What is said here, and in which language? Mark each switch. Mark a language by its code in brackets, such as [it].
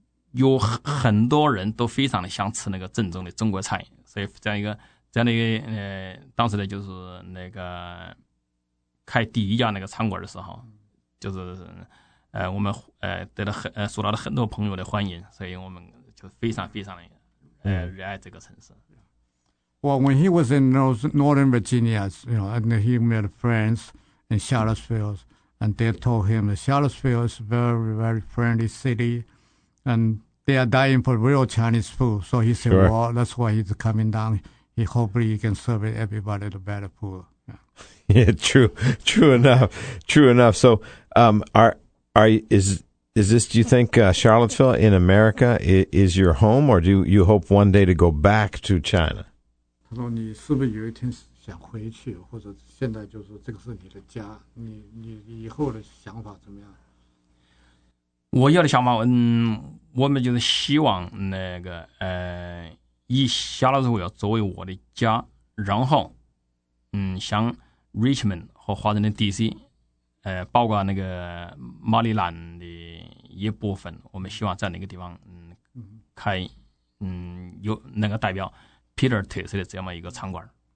[zh] 有很多人都非常的想吃那个正宗的中国菜，所以这样的一个当时呢就是那个开第一家那个餐馆的时候，就是我们得到受到了很多朋友的欢迎，所以我们就非常非常的热爱这个城市。 [en] Well, when he was in Northern Virginia, you know, and he met friends in Charlottesville, and they told him that Charlottesville is a very, very friendly city, and they are dying for real Chinese food. So he said,、 sure. well, that's why he's coming down. He hopefully he can serve everybody the better food. Yeah, yeah true enough. So do you think Charlottesville in America is your home, or do you hope one day to go back to China? [zh] 他说你是不是有一天想回去，或者现在就是这个是你的家，你以后的想法怎么样？我要的想法，我们就是希望那个以夏洛特维尔作为我的家，然后像 Richmond 和华盛顿 DC 包括那个马里兰的一部分，我们希望在那个地方开有那个代表Peter 特色的这么一个餐馆。